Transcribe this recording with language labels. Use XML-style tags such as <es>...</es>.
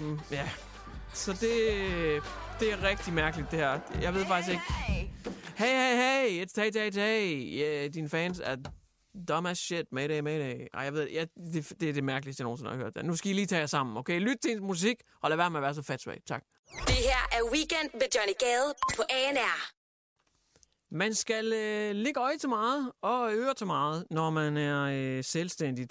<da>Ja. Så det er rigtig mærkeligt, det her. Jeg ved faktisk ikke.</da> <en>Hey, hey, hey, it's Tay-Tay-Tay. Yeah,</en> <da>dine fans er</da> <en>dumb as shit. Mayday, mayday.</en> <da>Ej, jeg ved, det er det mærkeligste, jeg nogensinde har hørt. Nu skal I lige tage jer sammen, okay? Lyt til musik, og lad være med at være så fatsvag. Tak. Det her er Weekend med Johnny Gade på ANR. Man skal ligge øje til meget og øre til meget, når man er selvstændig.</da>